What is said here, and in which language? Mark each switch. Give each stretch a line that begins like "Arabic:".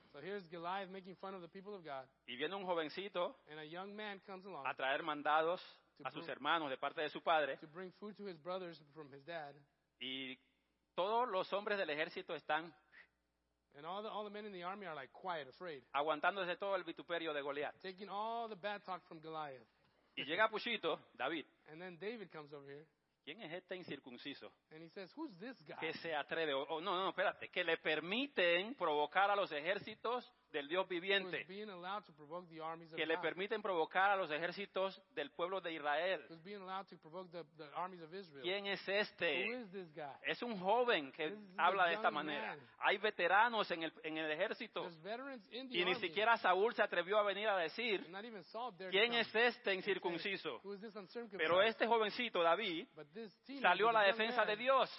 English: So here's Goliath making fun of the people of God.
Spanish: Y viene un jovencito
English: and a young man comes along
Spanish: a traer mandados a sus hermanos de parte de su padre.
English: To bring food to his brothers from his dad.
Spanish: Y todos los hombres del ejército están
English: and all the men in the army are like quiet, afraid.
Spanish: Aguantándose todo el vituperio de Goliat.
English: Taking all the bad talk from Goliath.
Spanish: Y llega Puchito, David.
English: And then David comes over here.
Spanish: ¿Quién es este incircunciso?
English: And he says, who's this guy?
Spanish: Que se atreve, espérate, que le permiten provocar a los ejércitos del Dios viviente.
English: Who's being allowed to provoke the armies of
Spanish: que
English: God.
Spanish: Le permiten provocar a los ejércitos del pueblo de Israel.
English: Who's being allowed to provoke the armies of Israel.
Spanish: ¿Quién es este?
English: Who is this guy?
Spanish: Es un joven que habla de esta manera.
English: Man.
Spanish: Hay veteranos en el ejército.
English: There's veterans in the
Spanish: y ni
English: army.
Spanish: Siquiera Saúl se atrevió a venir a decir ¿quién es este incircunciso?
English: Who is this uncircumcised?
Spanish: Pero este jovencito, David,
English: teenager,
Spanish: salió a la defensa de Dios.